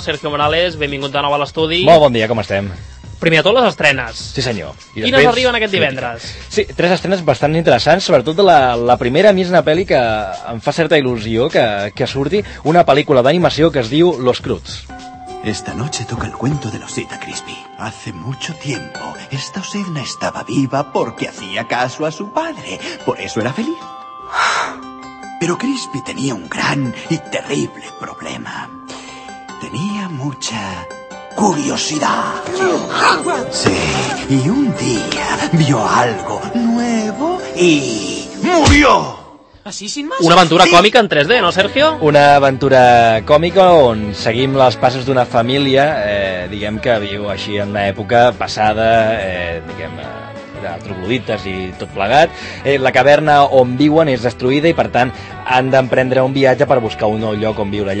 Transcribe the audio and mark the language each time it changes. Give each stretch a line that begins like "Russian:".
Catalan: Sergio Morales, benvingut de nou a l'estudi. Molt bon dia, com estem? Primer de tot, les estrenes. Sí, senyor. I quines després, arriben aquest divendres? Sí, tres estrenes bastant interessants, sobretot la primera, a mi és una pel·li que em fa certa il·lusió que surti, una pel·lícula d'animació que es diu Los Croods.
Spanish: Esta noche toca el cuento de la osita Crispy. Hace mucho tiempo, esta osedna estaba viva porque hacía caso a su padre. Por eso era feliz. Pero Crispy tenía un gran y terrible problema. Tenía mucha curiosidad. Sí, y un día vio algo nuevo y murió.
Catalan: Una aventura còmica en 3D, no, Sergio? Una aventura còmica on seguim les passes d'una família, diguem que viu així en una època passada, diguem, de troglodites i tot plegat. La caverna on viuen és destruïda i, per tant, han d'emprendre un viatge per buscar un nou lloc on viure.